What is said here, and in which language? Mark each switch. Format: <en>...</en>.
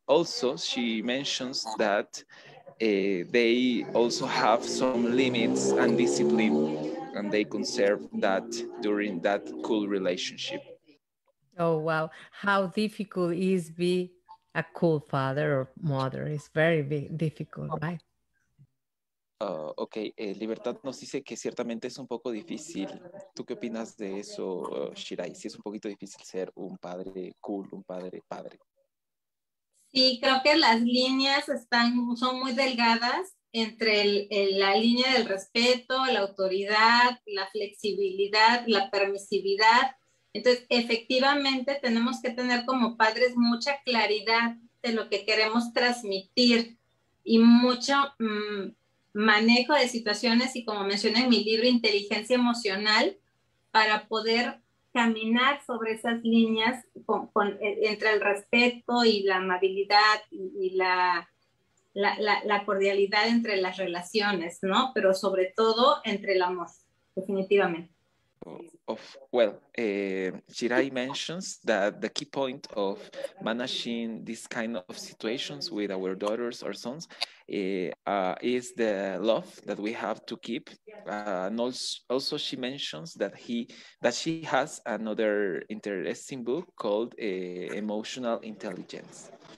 <en>Also, she mentions that they also have some limits and discipline, and they conserve that during that cool relationship. Oh, wow. How difficult is be a cool father or mother? It's very difficult, right?</en> <es>Ok, Libertad nos dice que ciertamente es un poco difícil. ¿Tú qué opinas de eso, Shirai? ¿Si es un poquito difícil ser un padre cool, un padre padre? Sí, creo que las líneas son muy delgadas entre la línea del respeto, la autoridad, la flexibilidad, la permisividad. Entonces, efectivamente, tenemos que tener como padres mucha claridad de lo que queremos transmitir y mucho manejo de situaciones y, como mencioné en mi libro, inteligencia emocional para poder caminar sobre esas líneas entre el respeto y la amabilidad y la cordialidad entre las relaciones, ¿no? Pero sobre todo entre el amor, definitivamente.</es> <en>Shirai mentions that the key point of managing this kind of situations with our daughters or sons is the love that we have to keep. And also she mentions that she has another interesting book called Emotional Intelligence.</en>